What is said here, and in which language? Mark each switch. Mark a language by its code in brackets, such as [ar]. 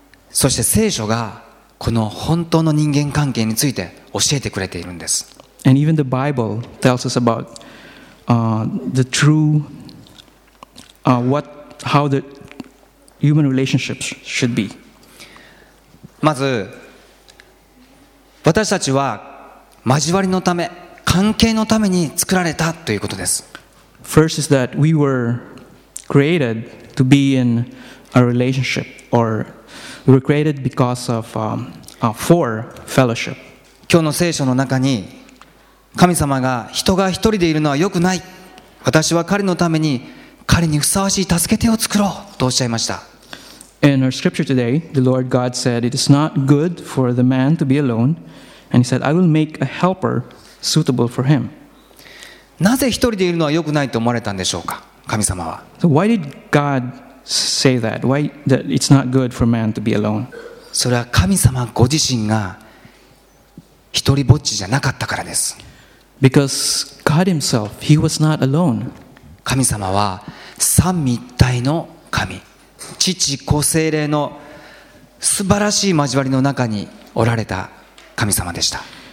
[ja] そして聖書がこの本当の人間関係について教えてくれているんです。 [en] And even the Bible tells us about the true how the human relationships should be. [ja] まず私たちは交わりのため、関係のために作られたということです。 [en] First is that we were created to be in a relationship, or we were created because of for fellowship. [ja] 今日の聖書の中に、神様が人が一人でいるのは良くない私は彼のために彼にふさわしい助け手を作ろうとおっしゃいました。 [en] In our scripture today, the Lord God said, "It is not good for the man to be alone," and He said, "I will make a helper suitable for him." [ja] なぜ一人でいるのは良くないと思われたんでしょうか、神様は。 [en] So why did God say that? Why that it's not good for man to be alone? [ja] それは神様ご自身が一人ぼっちじゃなかったからです。 [en] Because God Himself, He was not alone. [ja] 神様は三位一体の神。父子聖霊の素晴らしい交わりの中におられた神様でした。